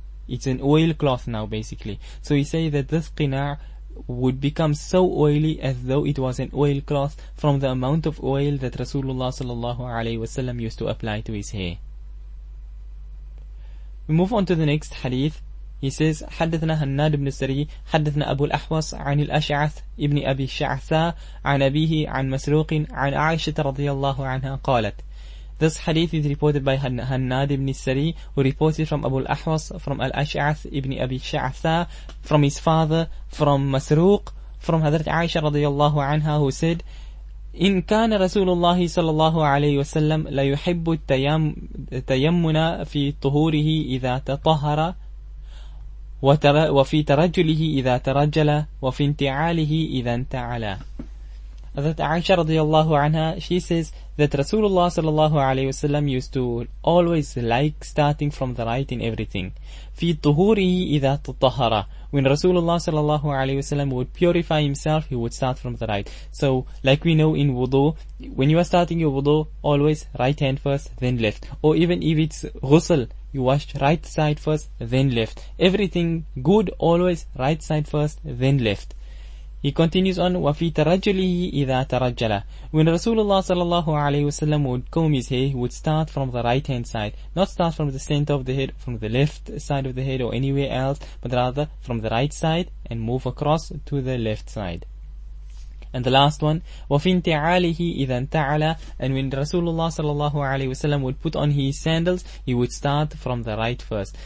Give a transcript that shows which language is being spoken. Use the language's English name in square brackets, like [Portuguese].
[English] It's an oil cloth now, basically. So he say that this qina' would become so oily as though it was an oil cloth from the amount of oil that Rasulullah sallallahu alayhi wasallam used to apply to his hair. We move on to the next hadith. He says, [Arabic] حدثنا هناد بن السري حدثنا أبو الأحوص عن الأشعث ابن أبي شعثاء عن أبيه عن مسروق عن عائشة رضي الله عنها قالت. [English] This hadith is reported by Hannad ibn Sari, who reported from Abu al-Ahwas, from al-Ash'ath ibn Abi Sha'tha, from his father, from Masruq, from Hazrat Aisha radiyallahu anha, who said, [Arabic] إن كان رسول الله صلى الله عليه وسلم لا يحب التيمن في طهوره إذا تطهر وفي ترجله إذا ترجل وفي انتعاله إذا انتعلى. [English] That Aisha radiallahu anha, she says that Rasulullah sallallahu alayhi wasallam used to always like starting from the right in everything. [Arabic] في طهوره إذا تطهر. [English] When Rasulullah sallallahu alayhi wasallam would purify himself, he would start from the right. So, like we know in wudu, when you are starting your wudu, always right hand first, then left. Or even if it's ghusl, you wash right side first, then left. Everything good, always right side first, then left. He continues on, [Arabic] وَفِي تَرَجُّلِهِ إِذَا تَرَجَّلَ. [English] When Rasulullah sallallahu alayhi wasallam would comb his hair, he would start from the right hand side. Not start from the center of the head, from the left side of the head, or anywhere else, but rather from the right side and move across to the left side. And the last one, [Arabic] وَفِي انْتِعَالِهِ إِذَا انْتَعَلَ. [English] And when Rasulullah sallallahu alayhi wasallam would put on his sandals, he would start from the right first.